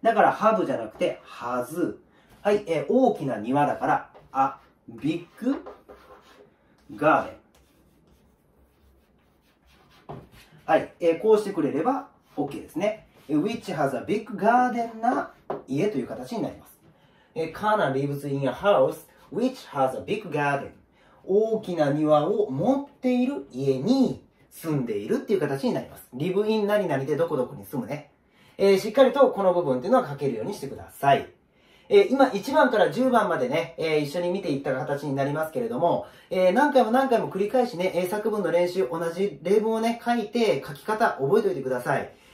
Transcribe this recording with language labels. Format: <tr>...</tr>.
<ja>だから have じゃなくて has。はい、大きな庭だから a big garden。はい、こうしてくれれば OK ですね。</ja> <en>Which has a big garden</en> <ja>な家という形になります。</ja> <en>Kana lives in a house which has a big garden。</en> <ja>大きな庭を持っている家に住んでいるっていう形になります。 Live in 何々でどこどこに住むね。しっかりとこの部分っていうのは書けるようにしてください。今1番から10番までね、一緒に見ていった形になりますけれども、何回も何回も繰り返しね、作文の練習、同じ例文をね書いて書き方覚えておいてください。</ja>